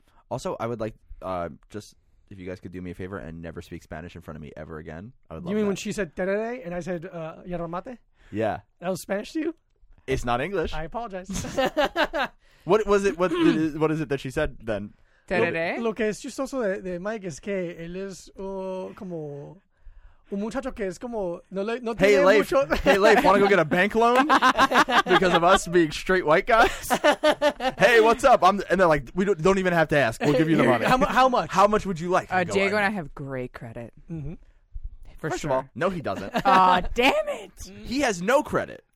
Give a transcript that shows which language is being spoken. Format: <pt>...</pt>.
<en>Also, I would like just if you guys could do me a favor and never speak Spanish in front of me ever again. I would love you mean that. When she said tereré and I said yerba mate? Yeah. That was Spanish to you? It's not English. I apologize. What was it? What is it that she said then?</en> <es>Lo que es chistoso de Mike es que él es como un muchacho que es como no tiene mucho.</es> <en>Hey, Leif, want to go get a bank loan because of us being straight white guys? Hey, what's up? And they're like, we don't even have to ask. We'll give you the money. How much? How much would you like? Diego and I have great credit. Mm-hmm. For First sure. of all, no, he doesn't. Aw, damn it. He has no credit.</en>